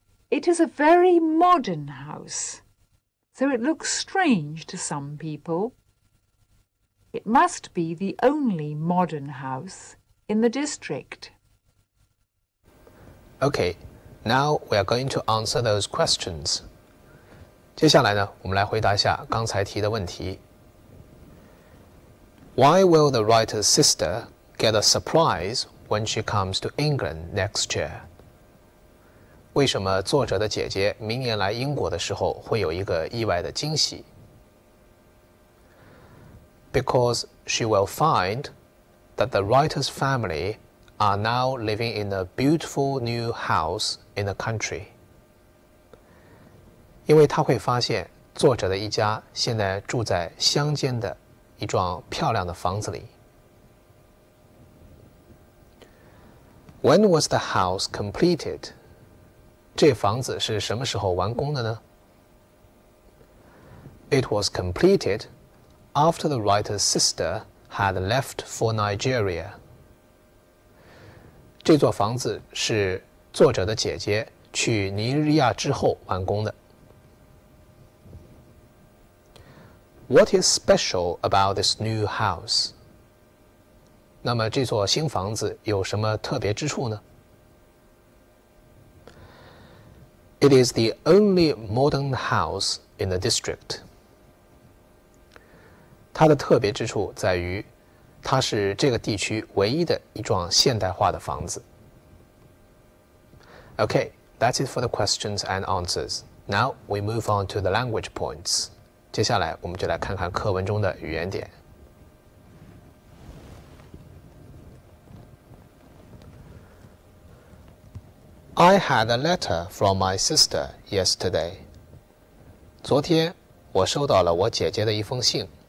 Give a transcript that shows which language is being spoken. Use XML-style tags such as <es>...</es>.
<en>It is a very modern house, so it looks strange to some people. It must be the only modern house in the district. Okay, now we are going to answer those questions.</en> <zh>接下来呢，我们来回答一下刚才提的问题。</zh> <en>Why will the writer's sister get a surprise when she comes to England next year?</en> <zh>为什么作者的姐姐明年来英国的时候会有一个意外的惊喜？</zh> <en>Because she will find that the writer's family are now living in a beautiful new house in the country.</en> <zh>因为他会发现作者的一家现在住在乡间的一幢漂亮的房子里。</zh> <en>When was the house completed?</en> <zh>这房子是什么时候完工的呢?</zh> <en>It was completed after the writer's sister had left for Nigeria.</en> <zh>这座房子是作者的姐姐去尼日利亚之后完工的。</zh> <en>What is special about this new house?</en> <zh>那么这座新房子有什么特别之处呢?</zh> <en>It is the only modern house in the district.</en> <zh>它的特别之处在于它是这个地区唯一的一幢现代化的房子。</zh> <en>Okay, that's it for the questions and answers. Now we move on to the language points.</en> <zh>接下来我们就来看看课文中的语言点。</zh> <en>I had a letter from my sister yesterday.</en> <zh>昨天我收到了我姐姐的一封信。</zh>